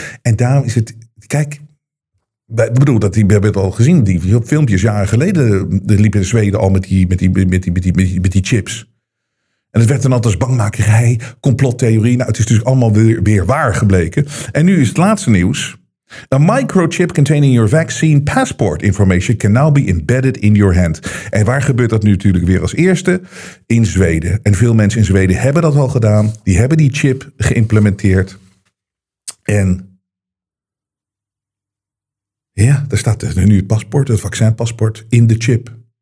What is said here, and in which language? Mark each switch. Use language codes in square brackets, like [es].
[nl] En daarom is het, kijk, we hebben het al gezien, die filmpjes jaren geleden, er liepen in Zweden al met die chips. En het werd dan altijd als bangmakerij, complottheorie. Nou, het is dus allemaal weer waar gebleken. En nu is het laatste nieuws. [en] A microchip containing your vaccine passport information can now be embedded in your hand. [nl] En waar gebeurt dat nu natuurlijk weer als eerste? In Zweden. En veel mensen in Zweden hebben dat al gedaan. Die hebben die chip geïmplementeerd. En ja, daar staat nu het paspoort, het vaccinpaspoort, in de chip.